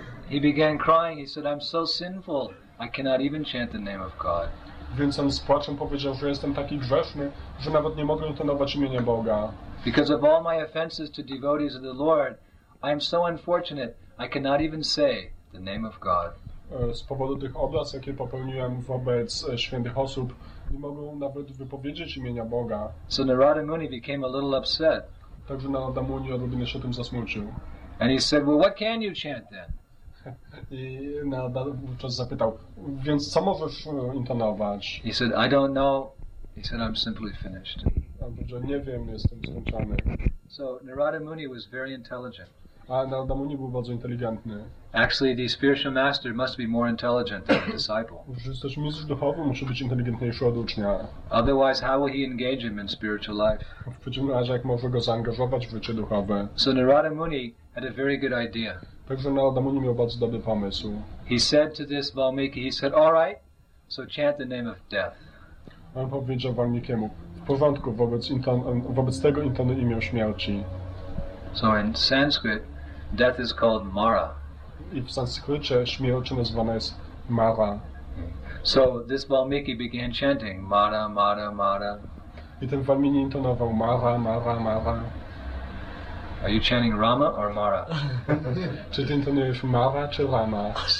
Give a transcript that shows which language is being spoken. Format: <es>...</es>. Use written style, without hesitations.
<en>He began crying, he said, I'm so sinful, I cannot even chant the name of God.</en> <pl>Więc on z płaczem powiedział, że jestem taki grzeszny, że nawet nie mogę intonować imienia Boga.</pl> <en>Because of all my offenses to devotees of the Lord, I am so unfortunate, I cannot even say the name of God.</en> <pl>Z powodu tych obraz, jakie popełniłem wobec świętych osób, nie mogą nawet wypowiedzieć imienia Boga.</pl> <en>So Narada Muni became a little upset.</en> <pl>Także Narada Muni odrobinę się tym zasmucił.</pl> <en>And he said, well, what can you chant then?</en> <pl>I Narada wówczas zapytał, więc co możesz intonować?</pl> <en>He said, I don't know. He said, I'm simply finished.</en> <pl>On powiedział, nie wiem, jestem skończony.</pl> <en>So Narada Muni was very intelligent.</en> <pl>A Narada Muni był bardzo inteligentny.</pl> <en>Actually, the spiritual master must be more intelligent than the disciple.</en> <pl>Przecież mistrz duchowy musi być inteligentniejszy od ucznia.</pl> <en>Otherwise, how will he engage him in spiritual life?</en> <pl>W przeciwnym razie, jak może go zaangażować w życie duchowe?</pl> <en>So Narada Muni had a very good idea.</en> <pl>Także Narada Muni miał bardzo dobry pomysł.</pl> <en>He said to this Valmiki, he said, all right, so chant the name of death.</en> <pl>On powiedział Valmikiemu, w porządku, wobec tego intonuj imię śmierci.</pl> <en>So in Sanskrit, death is called Mara.</en> <pl>I w sanskrycie śmierć nazywana jest Mara.</pl> <en>So this Valmiki began chanting Mara, Mara, Mara.</en> <pl>I ten Valmiki intonował Mara, Mara, Mara.</pl> <en>Are you chanting Rama or Mara?</en> <pl>Czy ty intonujesz Mara czy Rama?</pl>